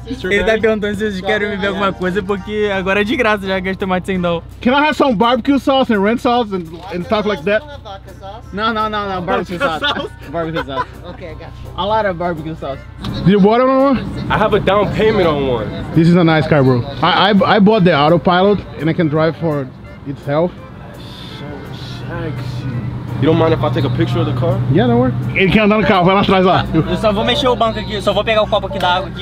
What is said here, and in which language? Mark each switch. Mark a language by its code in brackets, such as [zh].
[pt] Ele tá perguntando se eles querem beber alguma coisa, porque agora é de graça, já gastou mais de 100 dólares. [en] Can I have some barbecue sauce and ranch sauce and stuff like that? No, barbecue sauce. Barbecue sauce. Okay, I got you. A lot of barbecue sauce. Do you bought it on one? I have a down payment on one. This is a nice car, bro. I bought the autopilot and I can drive for itself. So sexy. You don't mind if I take a picture of the car? Yeah, don't worry. [pt] Ele quer andar no carro, vai lá atrás lá. Eu só vou mexer o banco aqui, só vou pegar o copo aqui da água aqui.